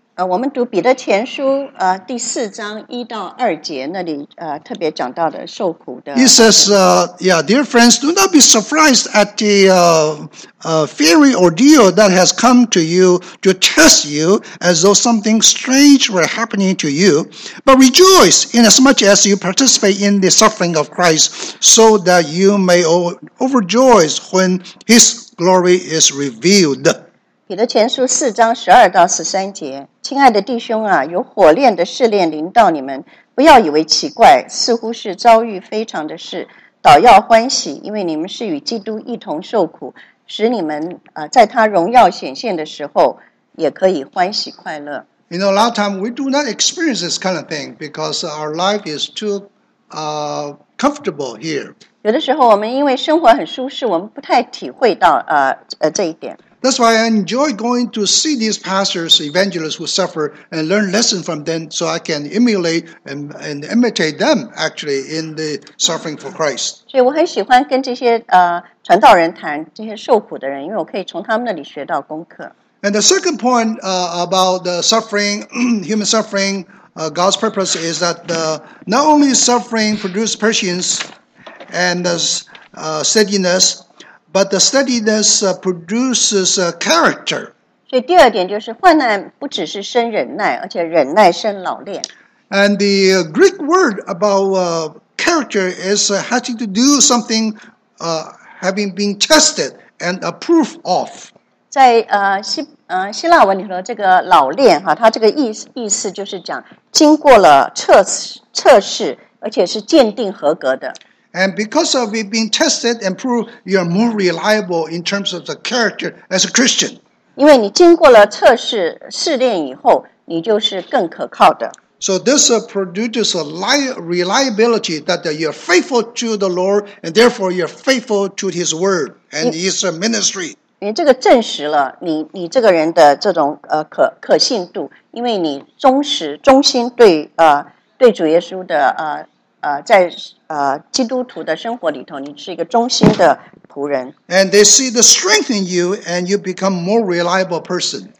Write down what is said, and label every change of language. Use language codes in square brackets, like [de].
[zh] 我们读彼得前书第四章一到二节那里特别讲到的受苦的。 [en] He says, dear friends, do not be surprised at the fiery ordeal that has come to you to test you as though something strange were happening to you, but rejoice in as much as you participate in the suffering of Christ so that you may overjoy when his glory is revealed. [zh] 彼得前书四章十二到十三节，亲爱的弟兄啊，有火炼的试炼临到你们，不要以为奇怪，似乎是遭遇非常的事，倒要欢喜，因为你们是与基督一同受苦，使你们在他荣耀显现的时候，也可以欢喜快乐。 [en] You know, a lot of time we do not experience this kind of thing because our life is too comfortable here. [zh] 有的时候我们因为生活很舒适，我们不太体会到这一点。 [en] That's why I enjoy going to see these pastors, evangelists who suffer and learn lessons from them so I can emulate and imitate them actually in the suffering for Christ. [zh] 所以我很喜欢跟这些传道人谈这些受苦的人，因为我可以从他们那里学到功课。 [en] And the second point about the suffering, human suffering, God's purpose is that not only suffering produces patience and steadiness,But the steadiness produces character. [zh] 所以第二点就是患难不只是生忍耐，而且忍耐生老练。 [en] And the Greek word about character is having to do something having been tested and approved of. [zh] 在希腊文里头，这个老练哈，它这个意思就是讲经过了测试，而且是鉴定合格的。 [en] And because of it being tested and proved, you are more reliable in terms of the character as a Christian. [zh] 因为你经过了测试试炼以后，你就是更可靠的。 [en] So this produces a reliability that you are faithful to the Lord, and therefore you are faithful to His word and His ministry. [zh] 因为这个证实了你这个人的这种可信度，因为你忠心对主耶稣的在基督徒的生活里头，你是一个忠心的仆人。 [en] And they see the strength in you, and you become a more reliable person.